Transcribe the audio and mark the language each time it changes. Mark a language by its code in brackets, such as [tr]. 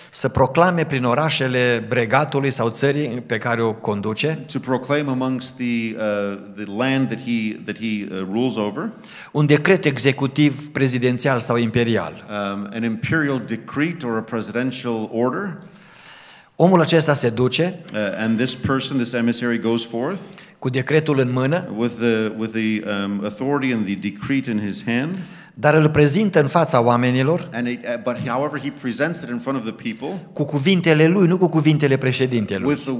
[ro] să proclame prin orașele regatului sau țării pe care o conduce [en] to proclaim amongst the land that he rules over [ro] un decret executiv prezidențial sau imperial [en] an imperial decree or a presidential order. [ro] Omul acesta se duce [en] and this person, this emissary goes forth, [ro] cu decretul în mână [en] with the authority and the decree in his hand, [ro] dar îl prezintă în fața oamenilor [en] however he presents it in front of the people, [ro] cu cuvintele lui, nu cu cuvintele președintelui.